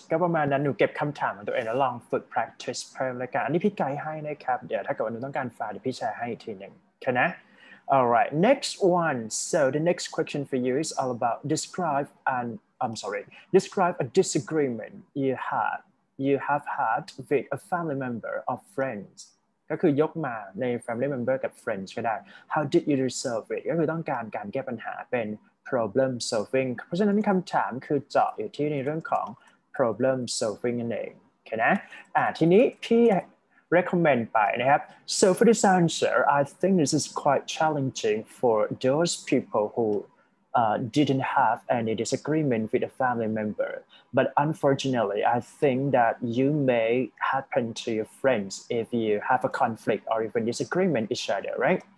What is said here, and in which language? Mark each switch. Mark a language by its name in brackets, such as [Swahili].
[Thai] ก็ประมาณนั้นหนูเก็บคำถามของตัวเองแล้วลองฝึก practice เพิ่มเลยกันอันนี้พี่ไกด์ให้นะครับเดี๋ยวถ้าเกิดว่าหนูต้องการฟังเดี๋ยวพี่แชร์ให้อีกทีหนึ่งโอเคนะ [English] All right, next one. So the next question for you is all about describe a disagreement you have had with a family member or friends. [Thai] ก็คือยกมาใน family member กับ friends ก็ได้ [English] How did you resolve it? [Thai] ก็คือต้องการแก้ปัญหาเป็น problem solving. เพราะฉะนั้นคำถามคือเจาะอยู่ที่ในเรื่องของ problem solving นั่นเองโอเคนะทีนี้พี่ [English] Recommend by, right? So for this answer, I think this is quite challenging for those people who didn't have any disagreement with a family member. But unfortunately, I think that you may happen to your friends if you have a conflict or even disagreement each other, right?